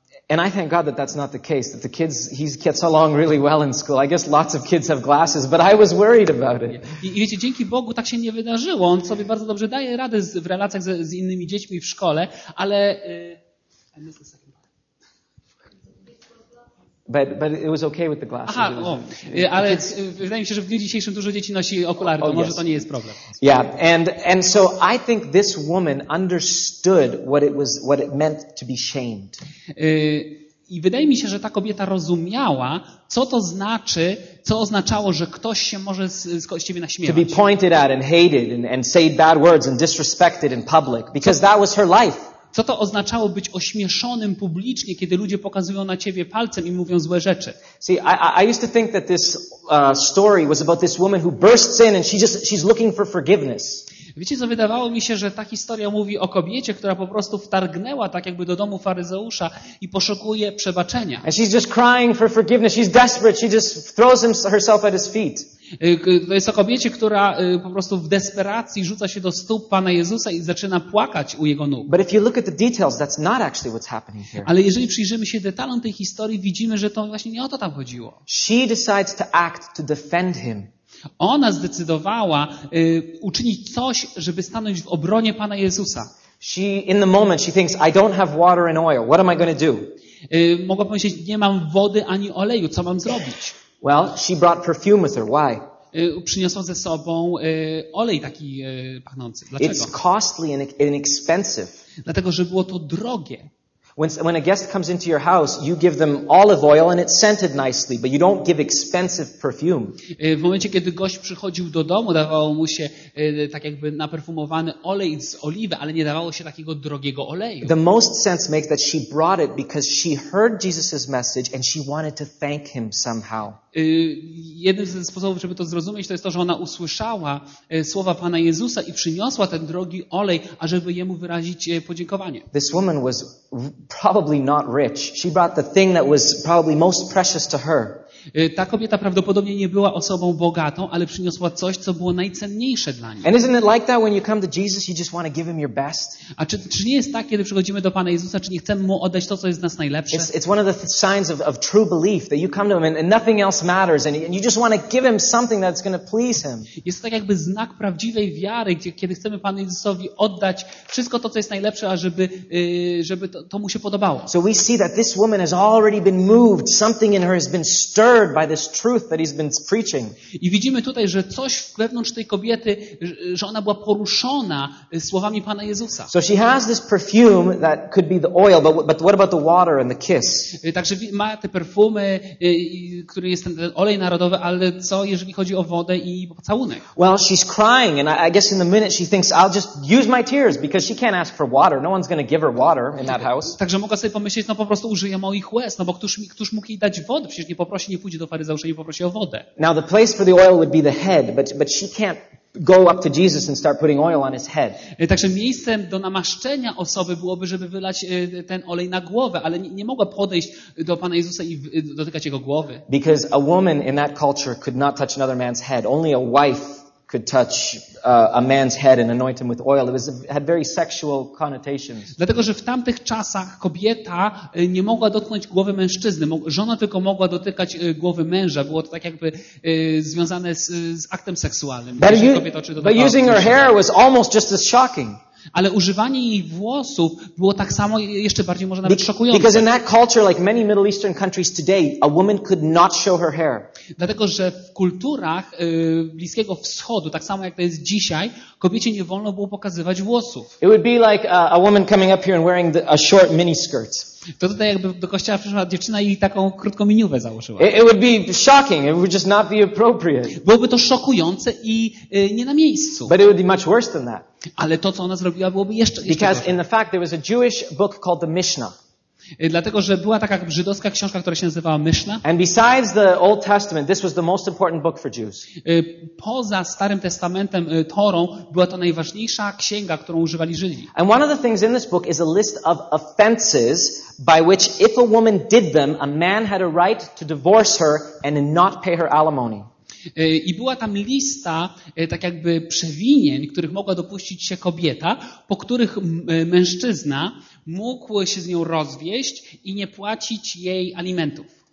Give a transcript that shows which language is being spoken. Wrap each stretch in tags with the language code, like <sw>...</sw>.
<en>And I thank God that that's not the case, that the kids, he gets along really well in school. I guess lots of kids have glasses, but I was worried about it.</en> <pl>I wiecie, dzięki Bogu tak się nie wydarzyło. On sobie bardzo dobrze daje radę w relacjach z innymi dziećmi w szkole, ale...</pl> <en>But it was okay with the glasses.</en> <pl>Aha, ale wydaje mi się, że w dniu dzisiejszym dużo dzieci nosi okulary, to może to nie jest problem.</pl> <en>Yeah, and so I think this woman understood what it meant to be shamed.</en> <pl>I wydaje mi się, że ta kobieta rozumiała, co to znaczy, co oznaczało, że ktoś się może z ciebie naśmiewać.</pl> <en>To be pointed at and hated and say bad words and disrespected in public, because that was her life.</en> <pl>Co to oznaczało być ośmieszonym publicznie, kiedy ludzie pokazują na ciebie palcem i mówią złe rzeczy?</pl> <en>See, I used to think that this story was about this woman who bursts in and she's looking for forgiveness.</en> <pl>Wiecie, co, wydawało mi się, że ta historia mówi o kobiecie, która po prostu wtargnęła tak jakby do domu faryzeusza i poszukuje przebaczenia.</pl> <en>And she's just crying for forgiveness. She's desperate. She just throws herself at his feet.</en> <pl>To jest o kobiecie, która po prostu w desperacji rzuca się do stóp Pana Jezusa i zaczyna płakać u Jego nóg.</pl> <en>But if you look at the details, that's not actually what's happening here.</en> <pl>Ale jeżeli przyjrzymy się detalom tej historii, widzimy, że to właśnie nie o to tam chodziło.</pl> <en>She decides to act to defend him.</en> <pl>Ona zdecydowała uczynić coś, żeby stanąć w obronie Pana Jezusa.</pl> <en>She, in the moment, she thinks, I don't have water and oil. What am I going to do?</en> <pl>Mogła pomyśleć, nie mam wody ani oleju. Co mam zrobić?</pl> <en>Well, she brought perfume with her. Why?</en> <pl>Przyniosła ze sobą olej taki pachnący. Dlaczego?</pl> <en>It's costly and expensive.</en> <pl>Dlatego, że było to drogie.</pl> <en>When a guest comes into your house, you give them olive oil and it's scented nicely, but you don't give expensive perfume.</en> <pl>W momencie, kiedy gość przychodził do domu, dawało mu się tak jakby naperfumowany olej z oliwy, ale nie dawało się takiego drogiego oleju.</pl> <en>The most sense makes that she brought it because she heard Jesus's message and she wanted to thank him somehow.</en> <pl>Jeden ze sposobów, żeby to zrozumieć, to jest to, że ona usłyszała słowa Pana Jezusa i przyniosła ten drogi olej, ażeby jemu wyrazić podziękowanie.</pl> <en>This woman was probably not rich. She brought the thing that was probably most precious to her.</en> <pl>Ta kobieta prawdopodobnie nie była osobą bogatą, ale przyniosła coś, co było najcenniejsze dla niej.</pl> <en>And isn't it like that when you come to Jesus, you just want to give him your best?</en> <pl>A czy nie jest tak, kiedy przychodzimy do Pana Jezusa, czy nie chcemy mu oddać to, co jest z nas najlepsze?</pl> <en>It's one of the signs of true belief that you come to him and nothing else matters and you just want to give him something that's going to please him.</en> <pl>Jest to tak jakby znak prawdziwej wiary, kiedy chcemy Panu Jezusowi oddać wszystko to, co jest najlepsze, ażeby żeby to mu się podobało.</pl> <en>So we see that this woman has already been moved. Something in her has been stirred by this truth that he's been preaching.</en> <pl>I widzimy tutaj, że coś wewnątrz tej kobiety, że ona była poruszona słowami Pana Jezusa.</pl> <en>So she has this perfume that could be the oil, but what about the water and the kiss?</en> <pl>Także ma te perfumy, który jest ten olej narodowy, ale co jeżeli chodzi o wodę i pocałunek?</pl> <en>Well, she's crying and I guess in the minute she thinks I'll just use my tears because she can't ask for water. No one's going to give her water in that house.</en> <pl>Także mogła sobie pomyśleć, no po prostu użyję moich łez, no bo któż mógł jej dać wodę, przecież nie poprosi. Nie pójdzie do faryzeusza i poprosi o wodę.</pl> <en>Now the place for the oil would be the head, but she can't go up to Jesus and start putting oil on his head.</en> <pl>Także miejscem do namaszczenia osoby byłoby, żeby wylać ten olej na głowę, ale nie mogła podejść do Pana Jezusa i dotykać jego głowy.</pl> <en>Because a woman in that culture could not touch another man's head. Only a wife could touch a man's head and anoint him with oil. It was had very sexual connotations.</en> <pl>Dlatego, że w tamtych czasach kobieta nie mogła dotknąć głowy mężczyzny. Żona tylko mogła dotykać głowy męża. Było to tak jakby związane z aktem seksualnym.</pl> <en>But using her hair was almost just as shocking.</en> <pl>Ale używanie jej włosów było tak samo, jeszcze bardziej może nawet szokujące.</pl> <en>Because in that culture, like many Middle Eastern countries today, a woman could not show her hair.</en> <pl>Dlatego, że w kulturach Bliskiego Wschodu, tak samo jak to jest dzisiaj, kobiecie nie wolno było pokazywać włosów.</pl> <en>It would be like a woman coming up here and wearing a short miniskirt.</en> <pl>To tutaj jakby do kościoła przyszła dziewczyna i taką krótką miniówę założyła.</pl> <en>It would be shocking. It would just not be appropriate.</en> <pl>Byłoby to szokujące i nie na miejscu.</pl> <en>But it would be much worse than that.</en> <pl>Ale to, co ona zrobiła, byłoby jeszcze gorsze.</pl> <en>Because in the fact there was a Jewish book called the Mishnah.</en> <pl>Dlatego, że była taka żydowska książka, która się nazywała Myszna.</pl> <en>And besides the Old Testament, this was the most important book for Jews.</en> <pl>Poza Starym Testamentem, Torą, była to najważniejsza księga, którą używali Żydzi.</pl> <en>And one of the things in this book is a list of offenses by which if a woman did them, a man had a right to divorce her and not pay her alimony.</en> <pl>I była tam lista tak jakby przewinień, których mogła dopuścić się kobieta, po których mężczyzna mógł się z nią rozwieść i nie płacić jej alimentów.</pl>